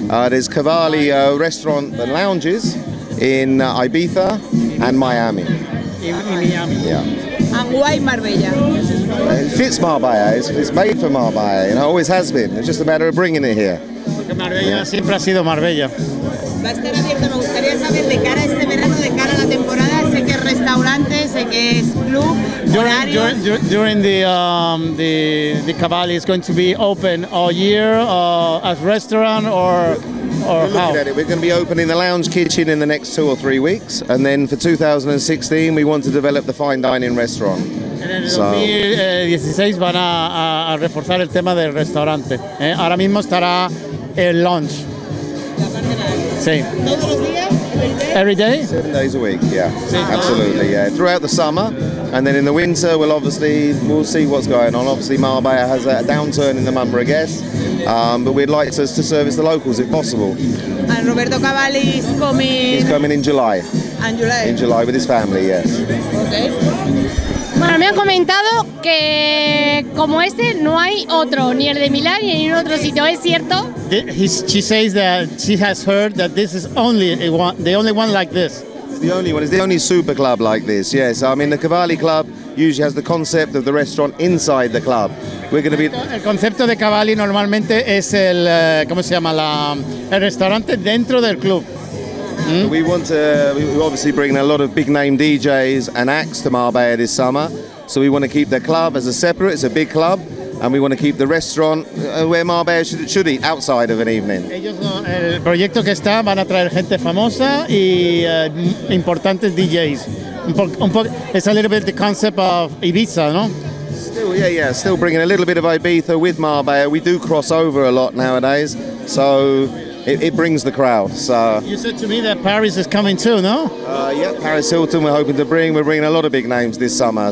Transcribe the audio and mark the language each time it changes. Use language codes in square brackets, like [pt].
[en] There's Caballi restaurant and lounges in Ibiza and Miami. In Miami. Yeah. And why Marbella? It fits Marbella. It's made for Marbella. You know, always has been. It's just a matter of bringing it here. [es] Porque Marbella siempre ha sido Marbella. Va a estar abierto. Me gustaría saber de cara a este verano, de cara a la temporada. [en] During the Caballi is going to be open all year as restaurant or we're how? At it. We're going to be opening the lounge kitchen in the next 2 or 3 weeks, and then for 2016 we want to develop the fine dining restaurant. And then in [es] 2016 van a reforzar el tema del restaurante. Ahora mismo estará el lounge. Sí. [en] Every day? 7 days a week, yeah. Absolutely, yeah. Throughout the summer, and then in the winter, we'll see what's going on. Obviously, Marbella has a downturn in the number of guests, but we'd like to service the locals if possible. And Roberto Caballi is coming? He's coming in July. And July? In July with his family, yes. Okay. [es] Bueno, me han comentado que como este no hay otro, ni el de Milán ni en ningún otro sitio. ¿Es cierto? [en] She says that she has heard that this is only the only one like this. The only one. It's the only super club like this. Yes. I mean, the Caballi Club usually has the concept of the restaurant inside the club. We're going to be. [es] El concepto de Caballi normalmente es el ¿cómo se llama? El restaurante dentro del club. [en] We want to obviously bring a lot of big name DJs and acts to Marbella this summer. So we want to keep the club as a separate, it's a big club, and we want to keep the restaurant where Marbella should eat outside of an evening. [es] El proyecto que está van a traer gente famosa y importantes DJs. [en] It's a little bit the concept of Ibiza, no? Still bringing a little bit of Ibiza with Marbella. We do cross over a lot nowadays, so it brings the crowd. So you said to me that Paris is coming too, no? Paris Hilton we're hoping to bring. We're bringing a lot of big names this summer.